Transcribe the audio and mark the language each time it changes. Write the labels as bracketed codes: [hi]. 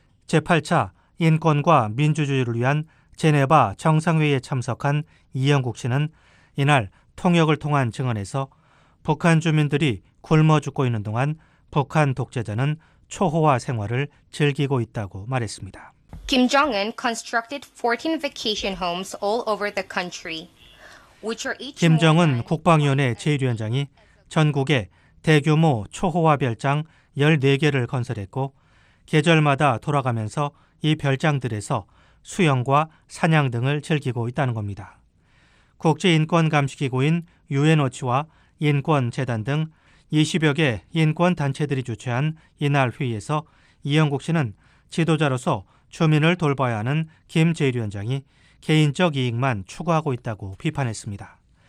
[ko] 제8차 인권과 민주주의를 위한 제네바 정상회의에 참석한 이영국 씨는 이날 통역을 통한 증언에서 북한 주민들이 굶어 죽고 있는 동안 북한 독재자는 초호화 생활을 즐기고 있다고 말했습니다. [en] Kim Jong-un constructed 14 vacation homes all over the country. [ko] 김정은 국방위원회 제1위원장이 전국에 대규모 초호화 별장 14개를 건설했고 계절마다 돌아가면서 이 별장들에서 수영과 사냥 등을 즐기고 있다는 겁니다. 국제인권감시기구인 UNOCHA와 인권재단 등 20여 개 인권단체들이 주최한 이날 회의에서 이영국 씨는 지도자로서 주민을 돌봐야 하는 김 제1위원장이 개인적 이익만 추구하고 있다고 비판했습니다.